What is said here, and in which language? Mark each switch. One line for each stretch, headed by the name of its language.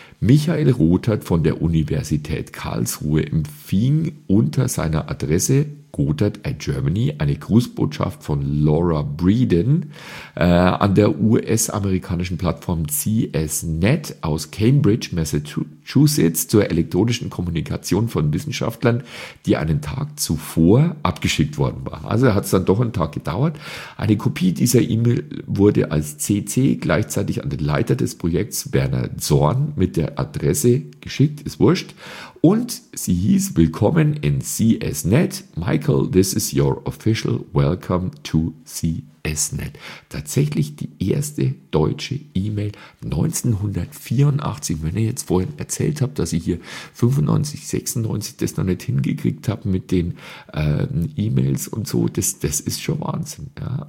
German: Michael Rothart von der Universität Karlsruhe empfing unter seiner Adresse Rothart at Germany eine Grußbotschaft von Laura Breeden an der US-amerikanischen Plattform CSNet aus Cambridge, Massachusetts zur elektronischen Kommunikation von Wissenschaftlern, die einen Tag zuvor abgeschickt worden war. Also hat es dann doch einen Tag gedauert. Eine Kopie dieser E-Mail wurde als CC gleichzeitig an den Leiter des Projekts Werner Zorn mit der Adresse geschickt, ist wurscht. Und sie hieß Willkommen in CSNet.
English: Michael, this is your official welcome to CSNet.
German: Tatsächlich die erste deutsche E-Mail 1984. Wenn ihr jetzt vorhin erzählt habt, dass ich hier 95, 96 das noch nicht hingekriegt habe mit den E-Mails und so, das ist schon Wahnsinn. Ja?